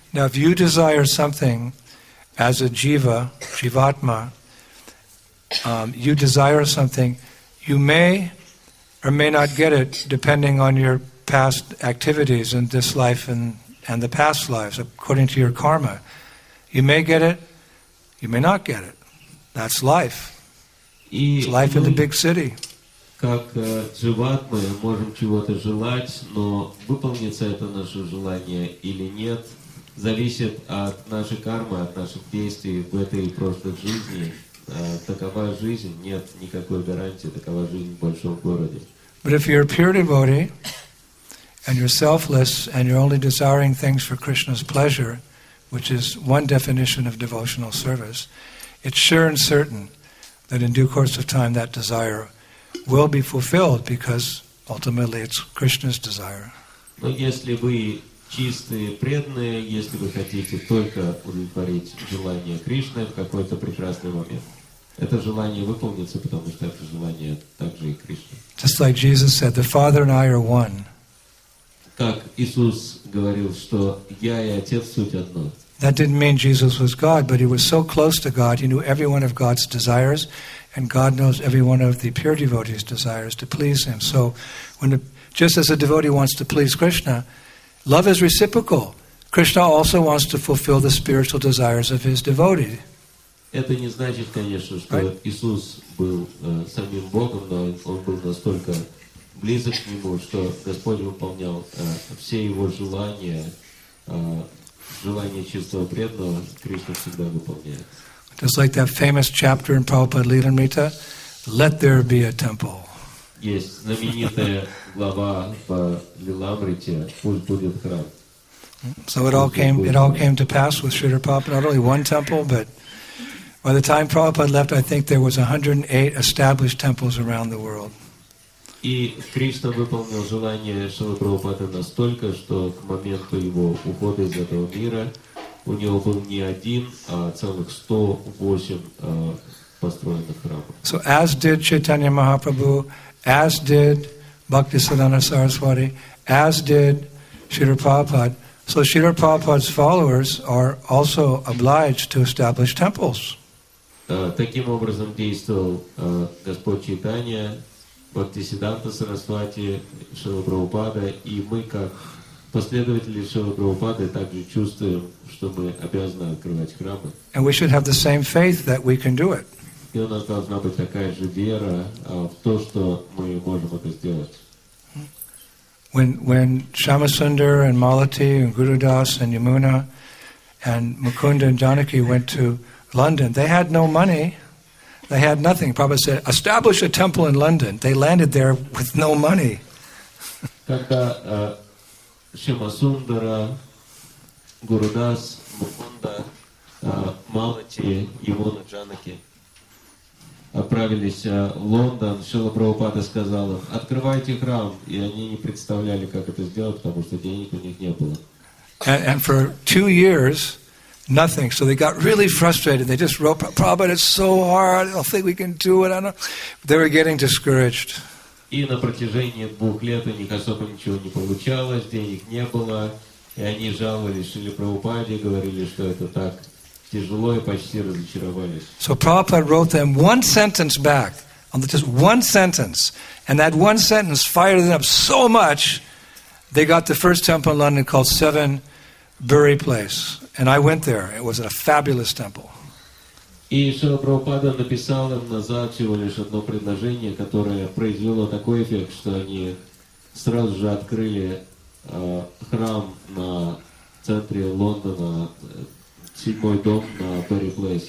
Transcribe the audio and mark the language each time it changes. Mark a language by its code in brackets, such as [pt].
[en] Now, if you desire something as a jiva, jivatma, you desire something, you may or may not get it depending on your past activities in this life and the past lives, according to your karma. You may get it, you may not get it. That's life. It's life in the big city. [ru] Как дживатмы мы можем чего-то желать, но выполнится это наше желание или нет, зависит от нашей кармы, от наших действий в этой и прошлой жизни. Такова жизнь, нет никакой гарантии, такова жизнь в большом городе. [en] But if you're a pure devotee, and you're selfless, and you're only desiring things for Krishna's pleasure, which is one definition of devotional service, it's sure and certain that in due course of time that desire will be fulfilled, because ultimately it's Krishna's desire. [ru] Но если вы чистые, преданные, если вы хотите только удовлетворить желание Кришны в какой-то прекрасный момент, это желание выполнится, потому что это желание также и Кришны. [en] Just like Jesus said, the Father and I are one. [ru] Как Иисус говорил, что я и Отец суть одно. [en] That didn't mean Jesus was God, but he was so close to God, he knew every one of God's desires, And God knows every one of the pure devotees' desires to please Him. So when just as a devotee wants to please Krishna, love is reciprocal. Krishna also wants to fulfill the spiritual desires of His devotee. [ru] Это не значит, конечно, что Иисус был самим Богом, но Он был настолько близок к Нему, что Господь выполнял все Его желания, желания чистого преданного, Кришна всегда выполняет. [en] Just like that famous chapter in Prabhupada Lilamrita, let there be a temple. [ru] Есть знаменитая глава в Лиламрите, пусть будет храм. [en] So it all came to pass with Sridhar Prabhupada, not only one temple, but by the time Prabhupada left, I think there was 108 established temples around the world. [ru] И Кришна выполнил желание Шрилы Прабхупады настолько, что к моменту его ухода из этого мира у него был не один, а целых 108 построенных храмов. [en] So as did Chaitanya Mahaprabhu, as did Bhaktisiddhanta Saraswati, as did Sridhar Prabhupada, so Sridhar Prabhupada's followers are also obliged to establish temples. [ru] Таким образом действовал Господь Чайтанья, Бхактисиддханта Сарасвати, Шрила Прабхупада, и мы, как последователи Шрилы Прабхупады, также чувствуем, что мы обязаны открывать храмы. [en] And we should have the same faith that we can do it. [ru] И у нас должна быть такая же вера в то, что мы можем это сделать. [en] When Shama Sundar and Malati and Gurudas and Yamuna and Mukunda and Janaki went to London. They had no money. They had nothing. Prabhupada said, establish a temple in London. They landed there with no money. [ru] Когда Шрила Сундара, Гурудас, Мукунда, Малати, Ямуна, Джанаки отправились в Лондон, Шрила Прабхупада сказал им, открывайте храм. И они не представляли, как это сделать, потому что денег у них не было. [en] And for 2 years, nothing. So they got really frustrated. They just wrote, Prabhupada, it's so hard. I don't think we can do it. I don't. They were getting discouraged. [ru] И на протяжении двух лет у них особо ничего не получалось, денег не было. И они жаловались Шриле Прабхупаде, говорили, что это так тяжело, и почти разочаровались. [en] So Prabhupada wrote them one sentence back, just one sentence. And that one sentence fired them up so much, they got the first temple in London called Seven Bury Place. And I went there. It was a fabulous temple. [ru] И Шрила Прабхупада написал им назад всего лишь одно предложение, которое произвело такой эффект, что они сразу же открыли храм на центре Лондона, седьмой дом на Bury Place.